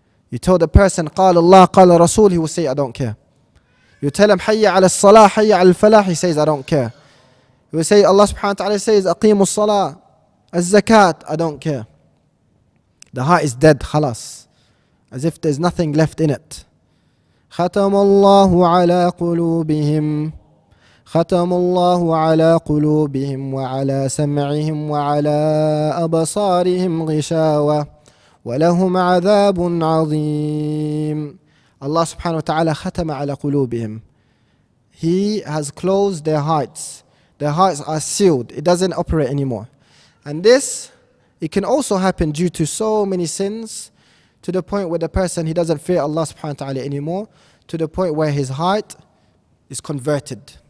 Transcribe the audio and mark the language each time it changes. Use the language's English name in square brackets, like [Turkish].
[English] You tell the person, [Arabic] قال الله قال رسول, [English] he will say, I don't care. You tell him, [Arabic] حي على الصلاة حي على الفلاح, [English] he says, I don't care. He will say, Allah subhanahu wa ta'ala says, [Arabic] أقيم الصلاة الزكات, [English] I don't care. The heart is dead, khalas. As if there's nothing left in it. [Arabic] ختم الله على قلوبهم ختم الله على قلوبهم وعلى سمعهم وعلى أبصارهم غشاوة ولهم عذاب عظيم. [English] Allah subhanahu wa ta'ala [Arabic] ختم على قلوبهم. [English] He has closed their hearts. Their hearts are sealed. It doesn't operate anymore. And this, it can also happen due to so many sins, to the point where the person, he doesn't fear Allah subhanahu wa ta'ala anymore, to the point where his heart is converted.